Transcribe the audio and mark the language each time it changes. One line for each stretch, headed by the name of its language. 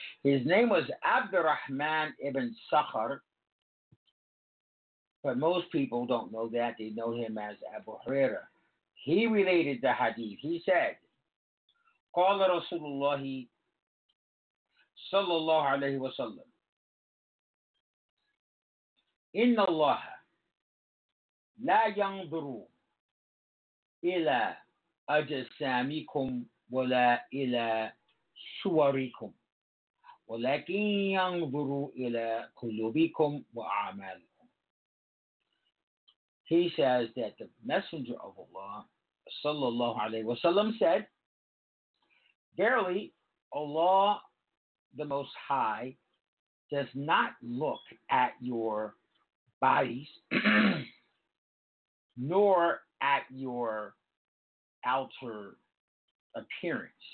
English: His name was Abdurrahman ibn Sakhar, but most people don't know that. They know him as Abu Hurairah. He related the hadith. He said,
Arabic: قال رسول الله صلى الله عليه وسلم إن الله لا ينظر إلى أجسامكم ولا إلى صوركم ولكن ينظر إلى قلوبكم وأعمالكم.
English: He says that the Messenger of Allah
Arabic: صلى الله عليه وسلم
English: said, verily, Allah the Most High does not look at your bodies nor at your outer appearance.